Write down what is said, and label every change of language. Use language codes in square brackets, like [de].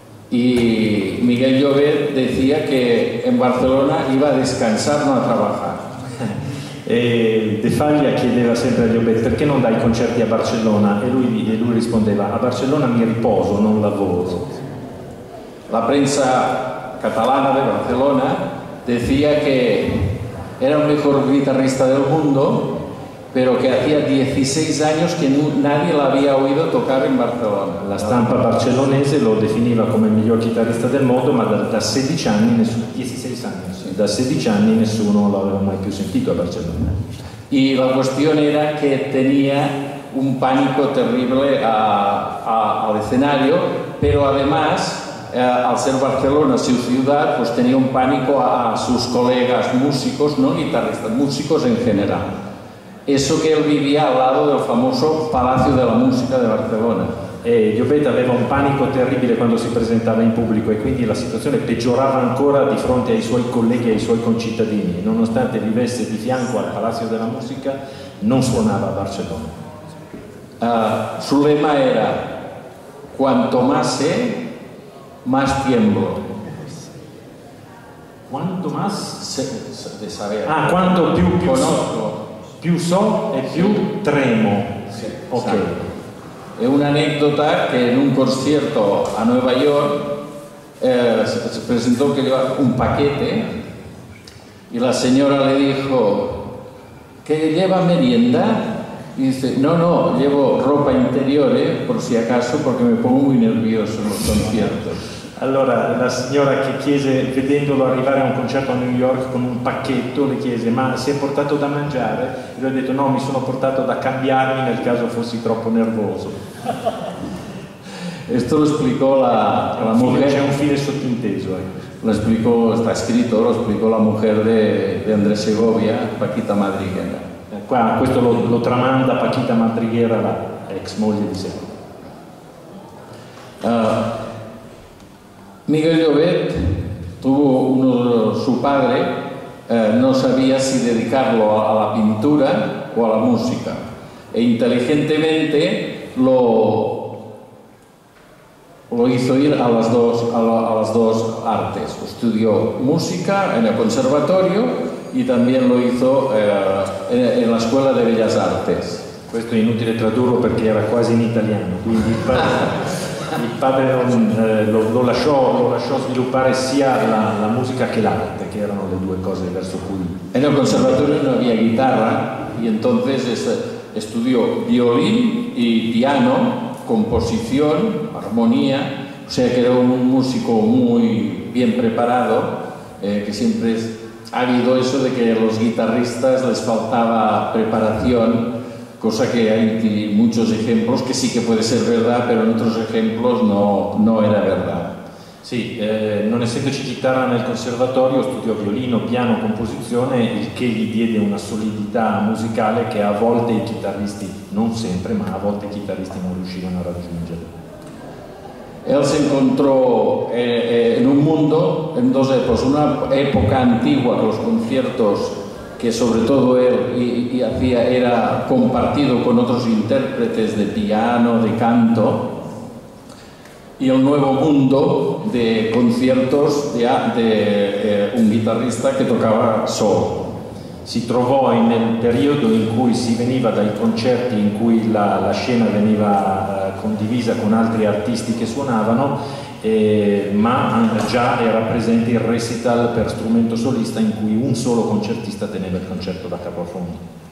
[es] Y Miguel Llobet decía que en Barcelona iba a descansar, no a trabajar. [it] De Falla chiedeva sempre a Llobet, perché non dai concerti a Barcellona? E lui rispondeva, a Barcellona mi riposo, non lavoro. [es] La prensa catalana de Barcelona decía que era el mejor guitarrista del mundo, pero que hacía 16 años que nadie la había oído tocar en Barcelona. [it] La stampa barcellonese lo definiva come il miglior chitarrista del mondo, ma da 16 anni nessuno, 16 anni, sì. Da 16 anni nessuno l'aveva mai più sentito a Barcellona. [es] Y la cuestión era que tenía un pánico terrible al escenario, pero además, al ser Barcelona su ciudad, pues tenía un pánico a sus colegas músicos, no guitarristas, músicos en general. Eso que él vivía al lado del famoso Palacio de la Música de Barcelona. [it] Llobet aveva un panico terribile quando si presentava in pubblico e quindi la situazione peggiorava ancora di fronte ai suoi colleghi e ai suoi concittadini. Nonostante vivesse di fianco al Palacio de la Música, non suonava a Barcelona. [es] Su lema era, quanto más sé, más tiemblo. Quanto más de saber. [it] Ah, quanto più conosco. Più so e più tremo. Sì, ok. È un'aneddota che in un concerto a Nueva York si presentò che aveva un pacchetto e la signora [es] le dijo: ¿Qué lleva merienda? Y dice, no, no, llevo ropa interior, por si acaso, porque me pongo muy nervioso en los conciertos. [it] Allora, la signora che chiese, vedendolo arrivare a un concerto a New York con un pacchetto, le chiese, ma si è portato da mangiare? E lui ha detto, no, mi sono portato da cambiarmi nel caso fossi troppo nervoso. Questo lo spiegò la moglie. C'è un fine sottinteso. Lo spiegò, sta scritto, lo spiegò la moglie di Andrés Segovia, Paquita Madriguera. Qua, questo lo tramanda Paquita Madriguera, la ex moglie di Segovia. [es] Miguel Llobet tuvo uno, su padre no sabía si dedicarlo a la pintura o a la música e inteligentemente lo hizo ir a las dos artes. Estudió música en el conservatorio y también lo hizo en la escuela de bellas artes. Esto es inútil tradurlo porque era casi en italiano. [it] Quindi... Il padre lo lasciò sviluppare sia la musica che l'arte, che erano le due cose verso cui. E nel conservatorio non aveva chitarra, e entonces studiò violino e piano, composizione, armonia, [es] o sea che era un músico muy bien preparado, che sempre ha habido eso de que a los guitarristas les faltaba preparación. Cosa que hay muchos ejemplos que sí que puede ser verdad, pero en otros ejemplos no era verdad. [it] Sí, non essendoci chitarra nel conservatorio, studiò violino, piano, composizione, il che gli diede una solidità musicale che a volte i chitarristi, non sempre, ma a volte i chitarristi non riuscivano a raggiungere. [es] Él se encontró en un mundo, en dos épocas, una época antigua, los conciertos que sobre todo él y hacía era compartido con otros intérpretes de piano, de canto, y el nuevo mundo de conciertos de un guitarrista que tocaba solo. [it] Si trovò [es] en el periodo [it] in cui si veniva dai concerti in cui la scena veniva condivisa con altri artisti che suonavano, ma già era presente il recital per strumento solista in cui un solo concertista teneva il concerto da capo a fondo.